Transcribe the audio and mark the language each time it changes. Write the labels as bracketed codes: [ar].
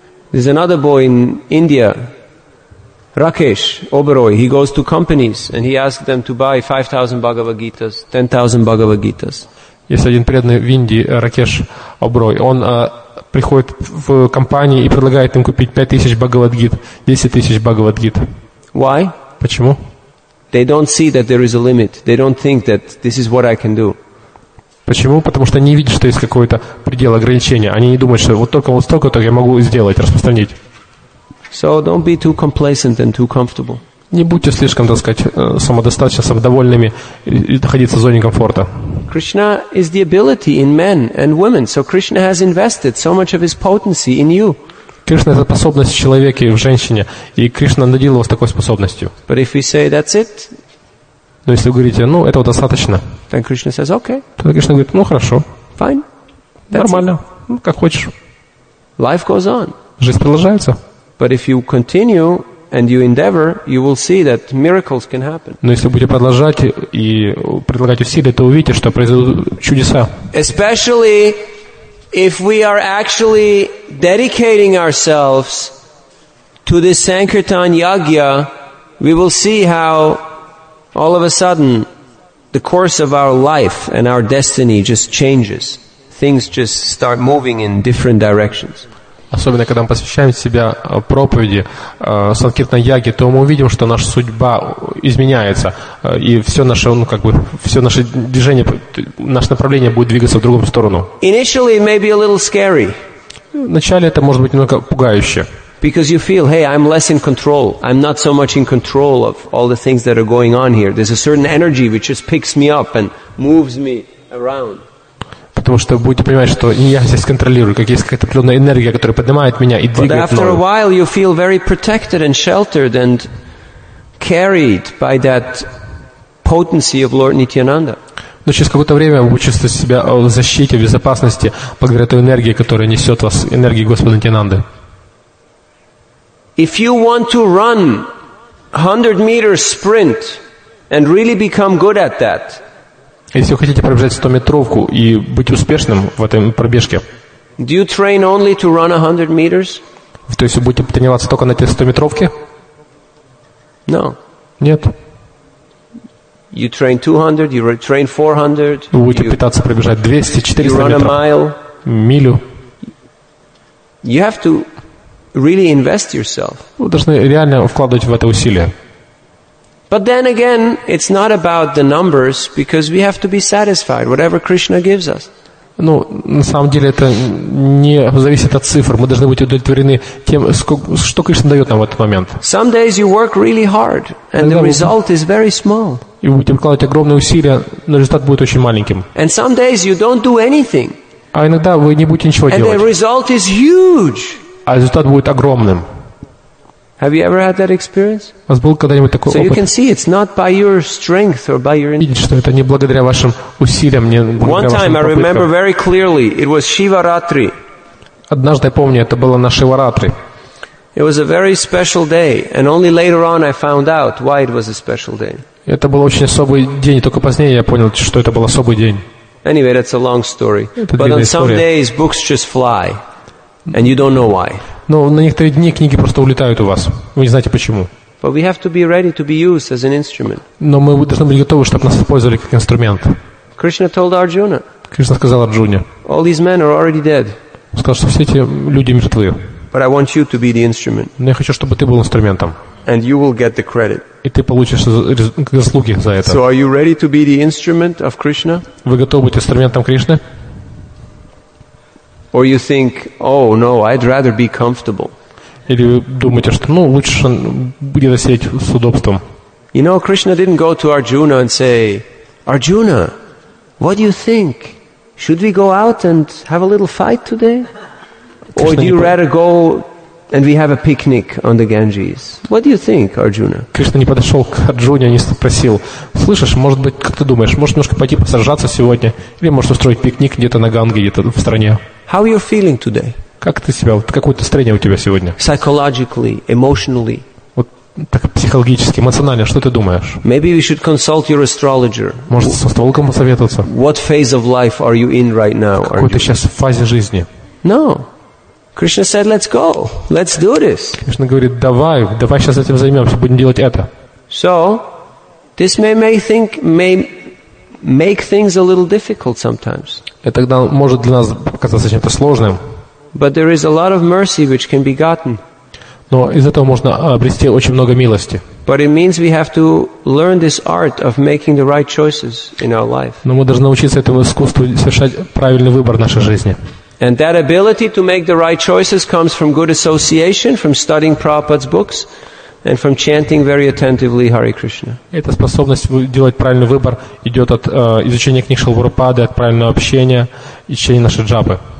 [en] There's another boy in India, Rakesh Oberoi. He goes to companies and he asks them to buy 5,000 Bhagavad Gitas, 10,000 Bhagavad Gitas. [ru] Есть один преданный в Индии, Ракеш Оброй. Он приходит в компании и предлагает им купить 5,000 Бхагавад-гит, 10,000 Бхагавад-гит. [en] Why? [ru] Почему? [en] They don't see that there is a limit. They don't think that this is what I can do. [ru] Почему? Потому что они видят, что есть какой-то предел ограничения. Они не думают, что вот только вот столько, так я могу сделать, распространить. [en] So don't be too complacent and too comfortable. [ru] Не будьте слишком, так сказать, самодостаточно, самодовольными и находиться в зоне комфорта. [en] Krishna is the ability in men and women, so Krishna has invested so much of his potency in you. [ru] Кришна — это способность в человеке и в женщине, и Кришна наделил вас такой способностью. [en] But if we say that's it, [ru] но если вы говорите, ну, этого достаточно, [en] then Krishna says, okay. [ru] Тогда Кришна говорит, ну, хорошо. [en] Fine. That's [ru] нормально. [en] It. [ru] Ну, как хочешь. [en] Life goes on. [ru] Жизнь продолжается. [en] But if you continue and you endeavor, you will see that miracles can happen. [ru] Но если будете продолжать и предлагать усилия, то увидите, что произойдут чудеса. [en] Especially if we are actually dedicating ourselves to this Sankirtan Yagya, we will see how all of a sudden the course of our life and our destiny just changes. Things just start moving in different directions. [ru] Особенно, когда мы посвящаем себя проповеди Санкиртан Яги, то мы увидим, что наша судьба изменяется, и все наше, ну, как бы, все наше движение, наше направление будет двигаться в другую сторону. [en] Initially, it may be a little scary. [ru] Вначале это может быть немного пугающе. [en] Because you feel, hey, I'm less in control. I'm not so much in control of all the things that are going on here. There's a certain energy which just picks me up and moves me around. [ru] Потому что будете понимать, что не я здесь контролирую, как есть какая-то определенная энергия, которая поднимает меня и двигает. [en] But after a while, you feel very protected and sheltered and carried by that potency of Lord Nityananda. [ru] Но через какое-то время вы чувствуете себя в защите, в безопасности благодаря той энергии, которая несет вас, энергии Господа Нитьянанды. [en] If you want to run 100-meter sprint and really become good at that. [ru] Если вы хотите пробежать 100-метровку и быть успешным в этом пробежке, [en] do you train only to run 100 meters? [ru] То есть вы будете тренироваться только на те 100-метровки? [en] No. [ru] Нет. [en] You train 200, you train 400. [ru] Вы будете пытаться пробежать 200, 400 метров. [en] You run a mile. [ru] Милю. [en] You have to really invest yourself. [ru] Вы должны реально вкладывать в это усилия. [en] But then again, it's not about the numbers because we have to be satisfied whatever Krishna gives us. [ru] Ну, на самом деле это не зависит от цифр. Мы должны быть удовлетворены тем, что Кришна дает нам в этот момент. [en] Some days you work really hard and the result is very small. [ru] И будете вкладывать огромные усилия, но результат будет очень маленьким. [en] And some days you don't do anything. [ru] А иногда вы не будете ничего делать. [en] And the result is huge. [ru] А результат будет огромным. [en] Have you ever had that experience? [ru] У вас был когда-нибудь такой опыт? [en] So you can see it's not by your strength or by your. [ru] Видите, что это не благодаря вашим усилиям, не благодаря вашим попыткам. [en] One time I remember very clearly, it was Shivaratri. [ru] Однажды я помню, это было на Шиваратри. [en] It was a very special day, and only later on I found out why it was a special day. [ru] Это был очень особый день, только позднее я понял, что это был особый день. [en] Anyway, that's a long story. But on some days books just fly, and you don't know why. [ru] Но на некоторые дни книги просто улетают у вас. Вы не знаете почему. [en] But we have to be ready to be used as an instrument. [ru] Но мы должны быть готовы, чтобы нас использовали как инструмент. [en] Krishna told Arjuna. [ru] Кришна сказал Арджуне. [en] All these men are already dead. [ru] Он сказал, что все эти люди мертвы. [en] But I want you to be the instrument. [ru] Но я хочу, чтобы ты был инструментом. [en] And you will get the credit. [ru] И ты получишь заслуги за это. [en] So are you ready to be the instrument of Krishna? [ru] Вы готовы быть инструментом Кришны? [en] Or you think, oh no, I'd rather be comfortable. [ru] Или вы думаете, что, ну, лучше где-то сидеть с удобством. [en] You know, Krishna didn't go to Arjuna and say, Arjuna, what do you think? Should we go out and have a little fight today? Or do you rather go and we have a picnic on the Ganges? What do you think, Arjuna? [ru] Кришна не подошел к Арджуне, не спросил, слышишь, может быть, как ты думаешь, может немножко пойти посражаться сегодня, или может устроить пикник где-то на Ганге, где-то в стране. [en] How are you feeling today? [ru] Как ты себя? Какое настроение у тебя сегодня? [en] Psychologically, emotionally. [ru] Вот так психологически, эмоционально. Что ты думаешь? [en] Maybe we should consult your astrologer. [ru] Может, с астрологом посоветоваться? [en] What phase of life are you in right now? [ru] Какой ты сейчас в фазе жизни? [en] No. Krishna said, "Let's go. Let's do this." [ru] Кришна говорит: "Давай, давай сейчас этим займемся, будем делать это." [en] So, this may make things a little difficult sometimes. [ru] Это тогда может для нас показаться чем-то сложным. [en] But there is a lot of mercy which can be gotten. [ru] Но из этого можно обрести очень много милости. [en] But it means we have to learn this art of making the right choices in our life. [ru] Но мы должны научиться этому искусству совершать правильный выбор в нашей жизни. [en] And that ability to make the right choices comes from good association, from studying Prabhupada's books, and from chanting very attentively Hare Krishna. [ru] Эта способность делать правильный выбор идет от изучения книг Шрилы Прабхупады, от правильного общения и чтения нашей джапы.